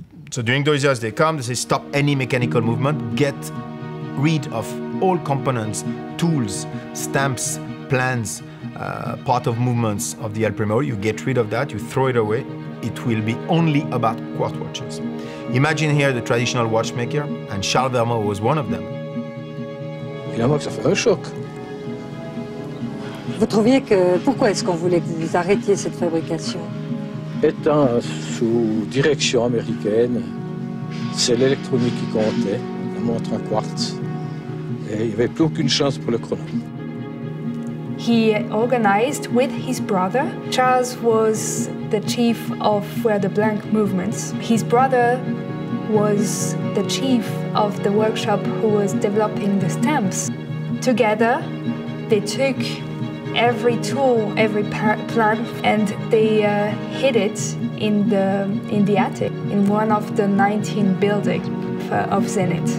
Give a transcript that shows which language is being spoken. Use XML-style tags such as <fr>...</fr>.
<en>So during those years, they come, they say, stop any mechanical movement, get rid of all components, tools, stamps, plans, part of movements of the El Primero. You get rid of that, you throw it away. It will be only about quartz watches. Imagine here the traditional watchmaker, and Charles Vermont was one of them.</en> <fr>Il a marqué un choc. Vous trouviez que pourquoi est-ce qu'on voulait que vous arrêtiez cette fabrication? Étant sous direction américaine, c'est l'électronique qui comptait. La montre en quartz. Et il n'y avait plus aucune chance pour le chrono.</fr> <en>He organized with his brother. Charles was the chief of where the blank movements. His brother was the chief of the workshop who was developing the stamps. Together, they took every tool, every plan, and they hid it in the attic, in one of the 19 buildings of Zenith.</en>